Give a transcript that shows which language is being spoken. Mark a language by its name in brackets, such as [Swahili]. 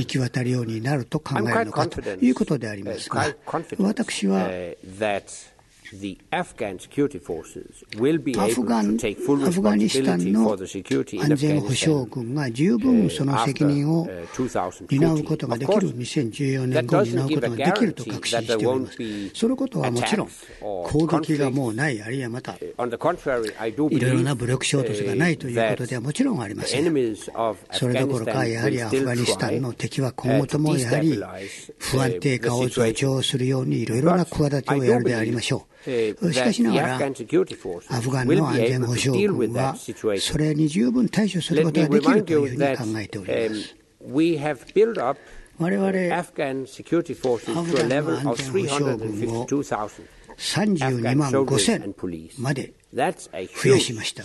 [Japanese] 行き渡るようになると考えるのかということでありますが、私は [English] The Afghan security forces will be able to take full responsibility for the security in Afghanistan after 2014. Of course, that doesn't give a guarantee that there won't be attacks or conflict. On the contrary, I do believe that the enemies of Afghanistan will still try to destabilize the situation. But I do believe. [Japanese] しかしながら、アフガンの安全保障軍はそれに十分対処することができるというふうに考えております。我々、アフガンの安全保障軍を32万5千まで増やしました。